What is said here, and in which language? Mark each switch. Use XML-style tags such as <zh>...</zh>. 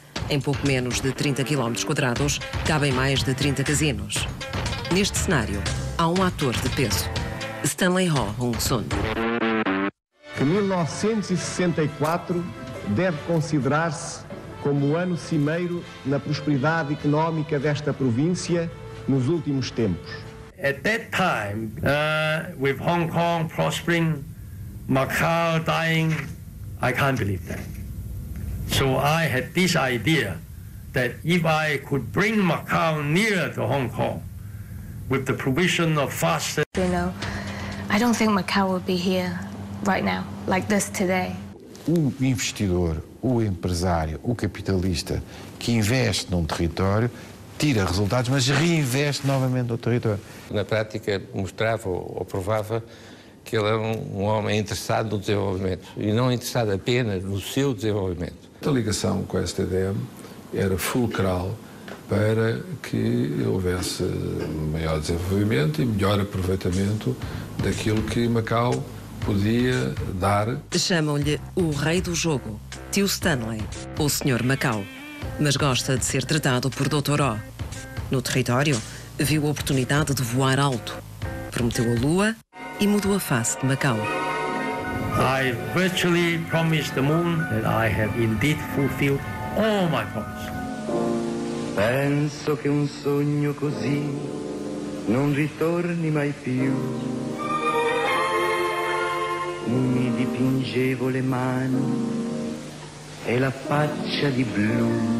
<pt>Em pouco menos de 30 km quadrados, cabem mais de 30 casinos. Neste cenário, há um ator de peso. Stanley Ho Hong Son. Que 1964 deve considerar-se como o ano cimeiro na prosperidade económica desta província nos últimos tempos.</pt> <en>At that time, with Hong Kong prospering, Macau dying, I can't believe that. So I had this idea that if I could bring Macau nearer to Hong Kong with the provision of faster... You know, I don't think Macau would be here right now, like this today.</en> <pt>O investidor, o empresário, o capitalista que investe num território tira resultados, mas reinveste novamente no território. Na prática, mostrava ou provava que ele era um homem interessado no desenvolvimento e não interessado apenas no seu desenvolvimento. A ligação com a STDM era fulcral para que houvesse maior desenvolvimento e melhor aproveitamento daquilo que Macau podia dar. Chamam-lhe o rei do jogo, tio Stanley, o senhor Macau, mas gosta de ser tratado por Dr. O. No território, viu a oportunidade de voar alto, prometeu a lua e mudou a face de Macau.</pt> <en>I virtually promised the moon that I have indeed fulfilled all my promises.</en> <it>Penso que sonho così non ritorni mai più. Mi dipingevo le mani e la faccia di blu.</it>